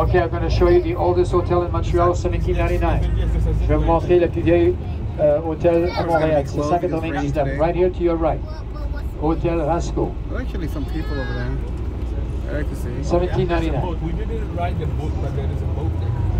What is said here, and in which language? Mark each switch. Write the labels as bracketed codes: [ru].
[en] Okay, I'm going to show you the oldest hotel in Montreal, 1799. [fr] Je vais vous montrer le plus vieil hôtel à Montréal, 1799. [en] Right here to your right. Hotel Rasco. Actually, some people over there. I can see. 1799. We didn't ride the boat, but there is a boat there.